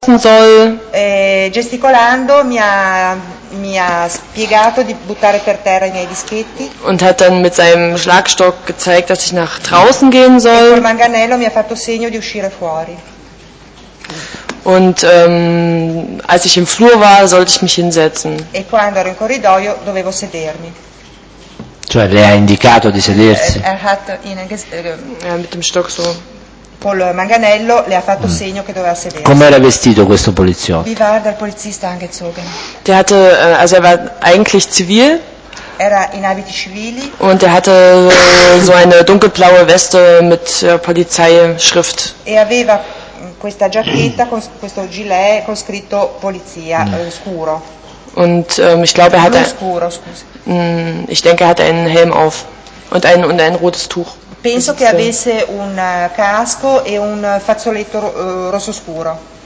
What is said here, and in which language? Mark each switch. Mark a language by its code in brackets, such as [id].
[it] gesticolando mi ha spiegato di buttare per terra i miei dischetti. [de] Und hat dann mit seinem Schlagstock gezeigt, dass ich nach draußen gehen [it] E col [de] soll. [it] manganello mi ha fatto segno di uscire fuori. [de] Und als ich im Flur war, sollte ich mich hinsetzen. [it] E quando ero in corridoio dovevo sedermi. Cioè, le ha indicato di sedersi. [de] Er hat in, mit dem Stock so. [it] Col manganello le ha fatto segno che doveva sedersi. Com'era vestito questo poliziotto? [de] Wie war der Polizist angezogen? Der hatte, also er war eigentlich zivil. [it] Era in abiti civili. [de] Und er hatte so eine dunkelblaue Weste mit Polizeischrift. [it] E aveva questa giacchetta con questo gilet con scritto polizia scuro. [de] Und ich glaube, er hat [it] blu scuro, scusi. [de] Ich denke, er hat einen Helm auf und ein rotes Tuch. [it] Penso che avesse un casco e un fazzoletto rosso scuro.